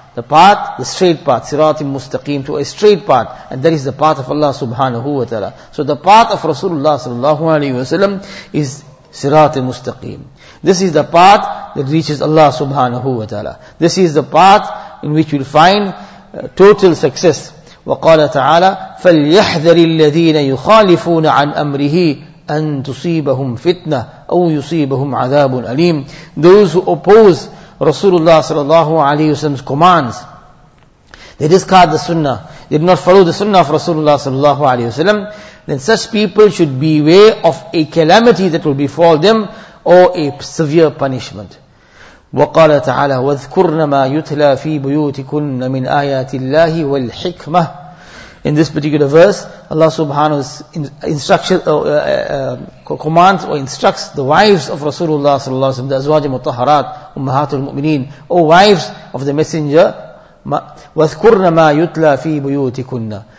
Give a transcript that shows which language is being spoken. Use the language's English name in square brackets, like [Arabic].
[English] The path, the straight path, [Arabic] صِرَاطٍ مُسْتَقِيمٍ, [English] to a straight path. And that is the path of Allah subhanahu wa ta'ala. So the path of Rasulullah sallallahu alayhi wa sallam is [Arabic] صِرَاطٍ مُسْتَقِيمٍ. [English] This is the path that reaches Allah subhanahu wa ta'ala. This is the path in which you'll find total success. [Arabic] وقال تعالى فليحذر الذين يخالفون عن أمره أن تصيبهم فتنة أو يصيبهم عذاب أليم. [English] Those who oppose Rasulullah sallallahu alayhi wasallam's commands, they discard the sunnah, they did not follow the sunnah of Rasulullah sallallahu alayhi wasallam, then such people should beware of a calamity that will befall them or a severe punishment. [Arabic] وقال تعالى واذكرن ما يتلى في بيوتكن من آيات الله والحكمة. [English] In this particular verse, Allah subhanahu wa ta'ala commands or instructs the wives of Rasulullah sallallahu alayhi wa sallam, the Azwaj al-Mutahharat, Ummahatul Mu'mineen, O wives of the Messenger, [Arabic] واذكرن ما يتلى في بيوتكن.